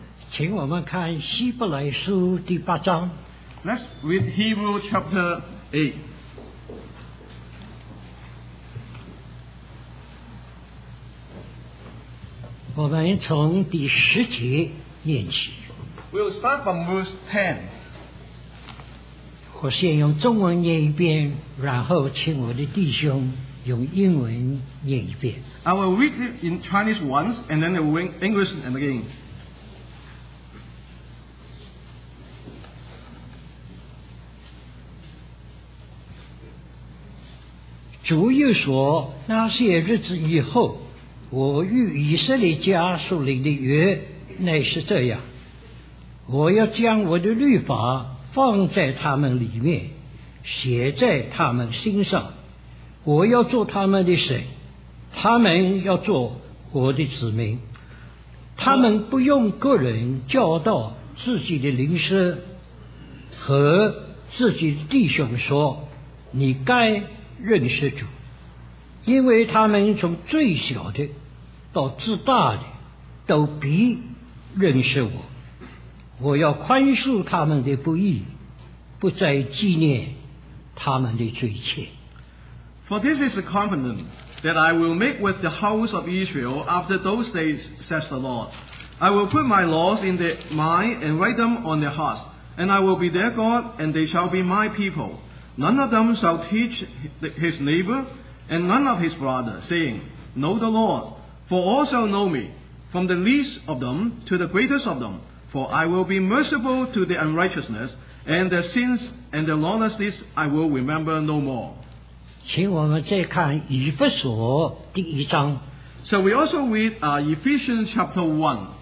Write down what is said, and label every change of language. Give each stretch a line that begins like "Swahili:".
Chinese: 请我们看希伯来书第八章。
English: Let's read Hebrew chapter 8. We'll start from verse 10.
Chinese: 我先用中文念一遍，然后请我的弟兄用英文念一遍。
English: I will read it in Chinese once and then in English and again.
Chinese: 主又说，那些日子以后，我与以色列家所立的约乃是这样，我要将我的律法放在他们里面，写在他们心上，我要做他们的神，他们要做我的子民。他们不用个人教导自己的邻舍和自己的弟兄说，你该认识主，因为他们从最小的到至大的都必认识我。我要宽恕他们的不义，不再纪念他们的罪孽。
English: For this is a covenant that I will make with the house of Israel after those days, says the Lord. I will put my laws in their mind and write them on their hearts, and I will be their God, and they shall be my people. None of them shall teach his neighbor, and none of his brother, saying, Know the Lord, for all shall know me, from the least of them to the greatest of them. For I will be merciful to the unrighteousness, and their sins and their lawlessness I will remember no more.
Chinese: 请我们再看以弗所第一章。
English: So we also read Ephesians chapter 1.